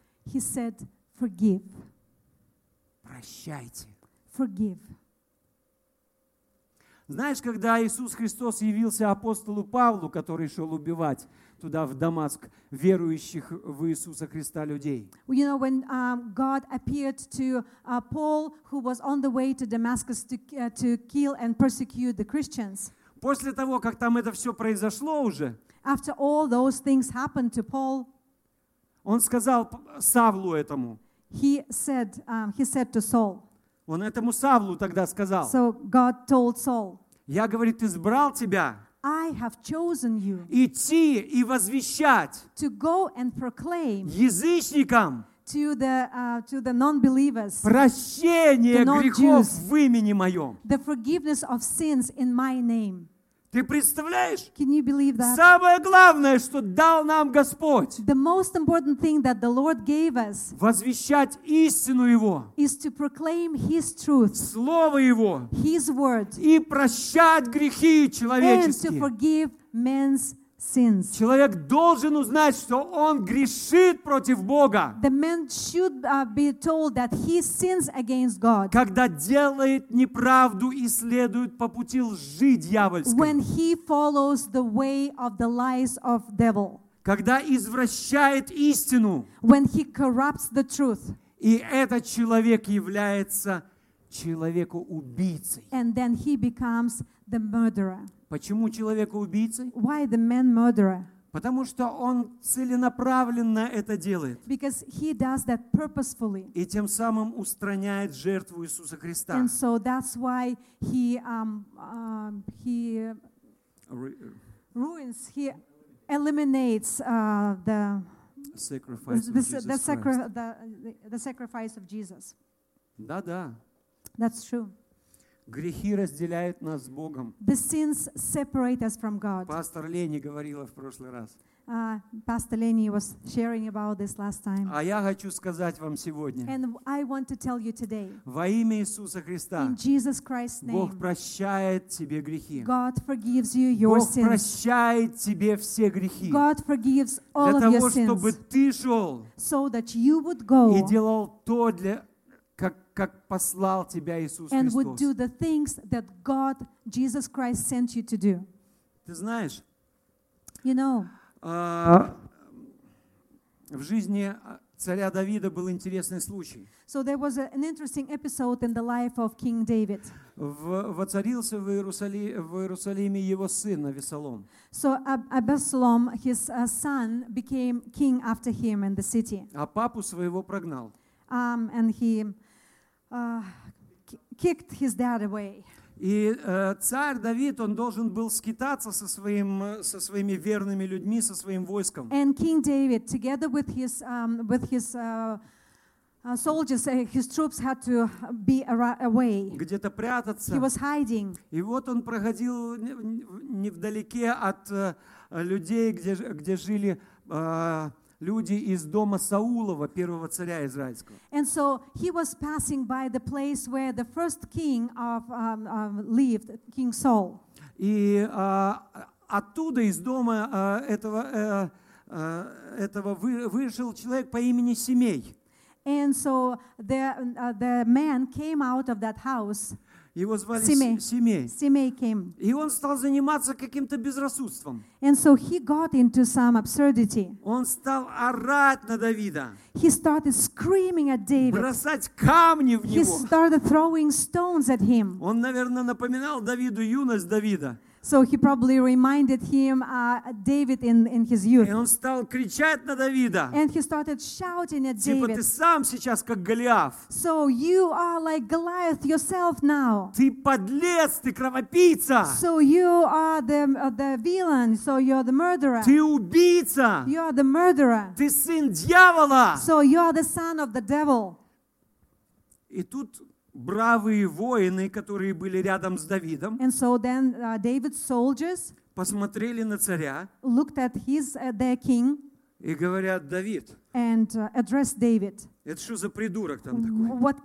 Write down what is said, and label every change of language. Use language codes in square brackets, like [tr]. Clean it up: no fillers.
[en] He said, forgive. [ru] Прощайте. [en] Forgive. [ru] Знаешь, когда Иисус Христос явился апостолу Павлу, который шел убивать туда в Дамаск верующих в Иисуса Христа людей? [en] You know, when God appeared to Paul, who was on the way to Damascus to kill and persecute the Christians. [ru] После того, как там это все произошло уже, [en] after all those things happened to Paul, [ru] он сказал Савлу этому. [en] He said to Saul. [ru] Он этому Савлу тогда сказал. [en] So God told Saul. [ru] Я, говорит, избрал тебя. [en] I have chosen you. [ru] Идти и возвещать. [en] To go and proclaim. [ru] Язычникам. [en] To the non-believers. [ru] Прощение грехов в имени моем. [en] The forgiveness of sins in my name. [ru] Ты представляешь? [en] Can you believe that? [ru] Самое главное, что дал нам Господь. [en] The most important thing that the Lord gave us. [ru] Возвещать истину Его. [en] Is to proclaim His truth. [ru] Слово Его. [en] His word. [ru] И прощать грехи человеческие. [en] And to forgive men's sins. [ru] Человек должен узнать, что он грешит против Бога. [en] The man should be told that he sins against God. [ru] Когда делает неправду и следует по пути лжи дьявольской. [en] When he follows the way of the lies of devil. [ru] Когда извращает истину. [en] When he corrupts the truth. [ru] И этот человек является человеком-убийцей. [en] And then he becomes the murderer. [ru] Почему человека-убийцей? [en] Why the man murderer? [ru] Потому что он целенаправленно это делает. [en] Because he does that purposefully. [ru] И тем самым устраняет жертву Иисуса Христа. [en] And so that's why he ruins, he eliminates the sacrifice of Jesus. The sacrifice of Jesus. [ru] Да-да. [en] That's true. [ru] Грехи разделяют нас с Богом. [en] The sins separate us from God. [ru] Пастор Лени говорила в прошлый раз. [en] Pastor Lenny was sharing about this last time. [ru] А я хочу сказать вам сегодня. [en] And I want to tell you today. [ru] Во имя Иисуса Христа. [en] In Jesus Christ's name. [ru] Бог прощает тебе грехи. [en] God forgives you your [ru] Бог [en] sins. [ru] Бог прощает тебе все грехи. [en] God forgives all [ru] того, [en] of your sins. [ru] Для того, чтобы ты шел. So that you would go. И делал то для как послал тебя Иисус Христос. [en] And would do the things that God, Jesus Christ, sent you to do. [ru] Ты знаешь, [en] you know, [ru] в жизни царя Давида был интересный случай. [en] So there was an interesting episode in the life of King David. [ru] Воцарился в Иерусалиме его сын Авессалом. [en] So Absalom, his son, became king after him in the city. [ru] А папу своего прогнал. [en] And he kicked his dad away. [ru] И царь Давид, он должен был скитаться со своими верными людьми, со своим войском. [en] And King David, together with his soldiers, his troops had to be away. [ru] Где-то прятаться. [en] He was hiding. [ru] И вот он проходил невдалеке от людей, где жили люди из дома Саулова, первого царя израильского. [en] And so he was passing by the place where the first king of lived, King Saul. [ru] И оттуда из дома этого вышел человек по имени Семей. [en] And so the man came out of that house. [ru] Его звали Семей. [en] Семей came. [ru] И он стал заниматься каким-то безрассудством. [en] And so he got into some absurdity. [ru] Он стал орать на Давида. [en] He started screaming at David. [ru] Бросать камни в него. [en] He started throwing stones at him. [ru] Он, наверное, напоминал Давиду юность Давида. [en] So he probably reminded him David in his youth. [ru] И он стал кричать на Давида. [en] And he started shouting at [ru] типа, [en] David. [ru] Ты сам сейчас как Голиаф. [en] So you are like Goliath yourself now. [ru] Ты подлец, ты кровопийца. [en] So you are the villain, so you're the murderer. [ru] Ты убийца. [en] You are the murderer. [ru] Ты сын дьявола. [en] So you are the son of the devil. [ru] И тут бравые воины, которые были рядом с Давидом, [en] and so then, David's soldiers [ru] посмотрели на царя, [en] looked at his, their king, [ru] и говорят: Давид, [en] and addressed David. [ru] Это что за придурок там такой?